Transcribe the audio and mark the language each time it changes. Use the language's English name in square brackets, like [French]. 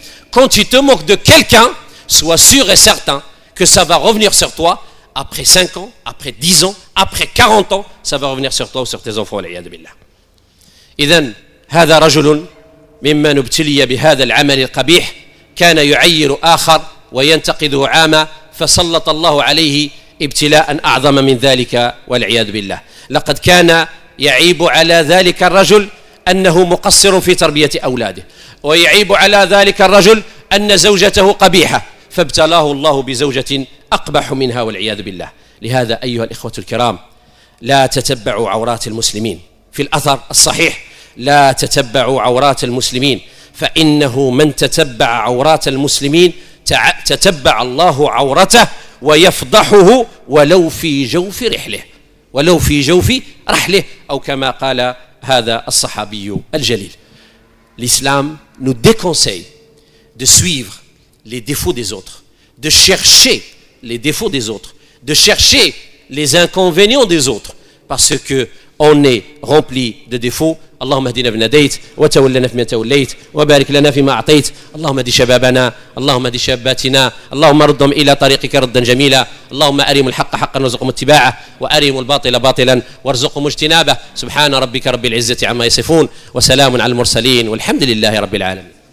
[French] Quand tu te moques de quelqu'un, sois sûr et certain que ça va revenir sur toi après 5 ans, après 10 ans, après 40 ans, ça va revenir sur toi ou sur tes enfants. [Arabic] Idan, هذا رجل ممن ابتلي بهذا العمل القبيح كان يعير آخر وينتقده عاما فسلط الله عليه ابتلاء أعظم من ذلك والعياذ بالله. لقد كان يعيب على ذلك الرجل أنه مقصر في تربية أولاده ويعيب على ذلك الرجل أن زوجته قبيحة فابتلاه الله بزوجة أقبح منها والعياذ بالله. لهذا أيها الإخوة الكرام لا تتبعوا عورات المسلمين. في الأثر الصحيح لا تتبعوا عورات المسلمين فإنه من تتبع عورات المسلمين تتبع الله عورته ويفضحه ولو في جوف رحله ولو في جوف رحله أو كما قال هذا الصحابي الجليل. [French] L'islam nous déconseille de suivre les défauts des autres, de chercher les défauts des autres, de chercher les inconvénients des autres, parce que on est rempli de défauts. [Arabic] اللهم اهدنا فيمن هديت وتولنا فيمن توليت وبارك لنا فيما اعطيت. اللهم اهد شبابنا، اللهم اهد شاباتنا، اللهم ردهم الى طريقك ردا جميلا. اللهم ارهم الحق حقا وارزقهم اتباعه، وارهم الباطل باطلا وارزقهم اجتنابه. سبحان ربك رب العزه عما يصفون، وسلام على المرسلين، والحمد لله رب العالمين.